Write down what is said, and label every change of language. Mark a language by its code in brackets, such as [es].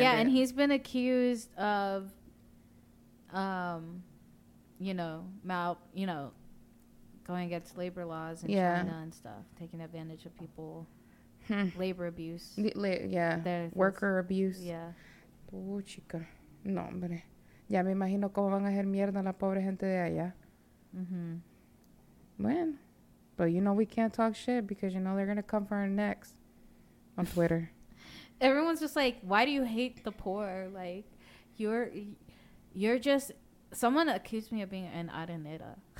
[en] Yeah, it. And he's been accused of, going against labor laws in China and stuff, taking advantage of people, labor abuse. Worker abuse. Yeah. [es] Oh, chica. No, hombre. Ya me imagino cómo van a hacer mierda la pobre gente de allá. Mm-hmm. Bueno. [en] But, you know, we can't talk shit because, you know, they're going to come for our necks on Twitter. Everyone's just like, why do you hate the poor? Like, you're just... Someone accused me of being an Arenera.